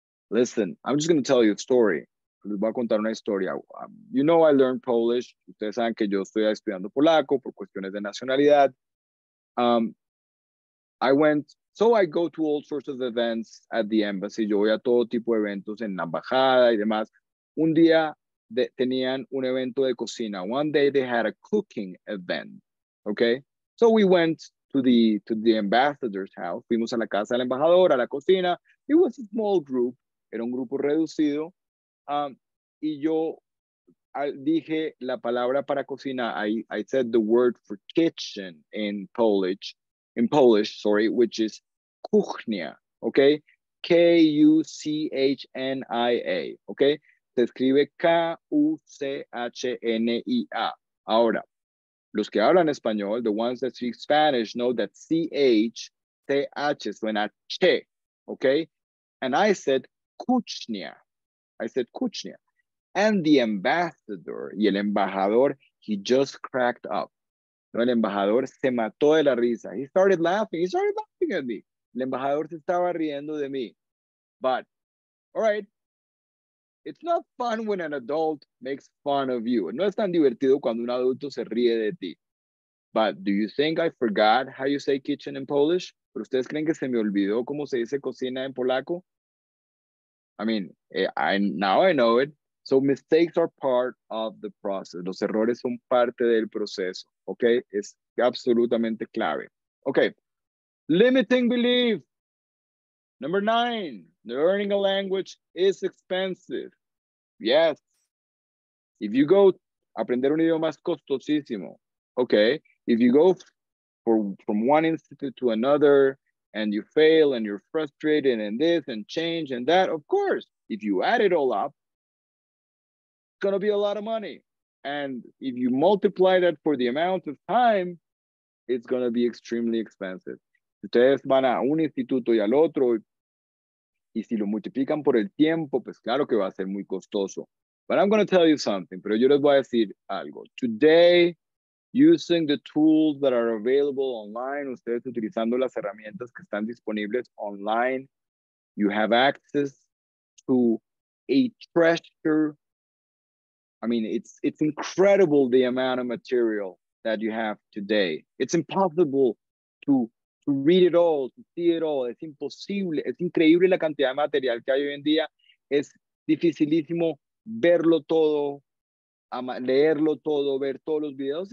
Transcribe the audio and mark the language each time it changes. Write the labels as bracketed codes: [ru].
[en] Listen, I'm just going to tell you a story. [es] Les voy a contar una historia. [en] You know I learned Polish. [es] Ustedes saben que yo estoy estudiando polaco por cuestiones de nacionalidad. [en] I go to all sorts of events at the embassy. [es] Yo voy a todo tipo de eventos en la embajada y demás. Un día tenían un evento de cocina. [en] One day they had a cooking event. Okay? So we went to the ambassador's house. [es] Fuimos a la casa del embajador, a la cocina. [en] It was a small group. [es] Era un grupo reducido. Dije la palabra para cocina. [en] I said the word for kitchen in Polish, which is kuchnia, okay? K-U-C-H-N-I-A, okay? [es] Se escribe K-U-C-H-N-I-A. Ahora, los que hablan español, [en] the ones that speak Spanish, know that C-H-C-H suena Ch, okay? And I said kuchnia. I said kuchnia. And the ambassador, [es] y el embajador, [en] he just cracked up. [es] No, el embajador se mató de la risa. [en] He started laughing at me. [es] El embajador se estaba riendo de mí. [en] But, all right, it's not fun when an adult makes fun of you. [es] No es tan divertido cuando un adulto se ríe de ti. [en] But do you think I forgot how you say kitchen in Polish? [es] ¿Pero ustedes creen que se me olvidó cómo se dice cocina en polaco? [en] I mean, now I know it. So mistakes are part of the process. [es] Los errores son parte del proceso. Okay? Es absolutamente clave. Okay. [en] Limiting belief. Number 9. Learning a language is expensive. Yes. If you go, [es] aprender un idioma es costosísimo. Okay? [en] If you go from one institute to another and you fail and you're frustrated and this and change and that, of course, if you add it all up, going to be a lot of money. And if you multiply that for the amount of time, it's going to be extremely expensive. [es] Ustedes van a un instituto y al otro, y si lo multiplican por el tiempo, pues claro que va a ser muy costoso. [en] But I'm going to tell you something, [es] pero yo les voy a decir algo. [en] Today, using the tools that are available online, [es] ustedes utilizando las herramientas que están disponibles online, [en] you have access to a treasure. I mean, it's incredible the amount of material that you have today. It's impossible to read it all, to see it all. [es] Es imposible, es increíble la cantidad de material que hay hoy en día. Es dificilísimo verlo todo, leerlo todo, ver todos los videos.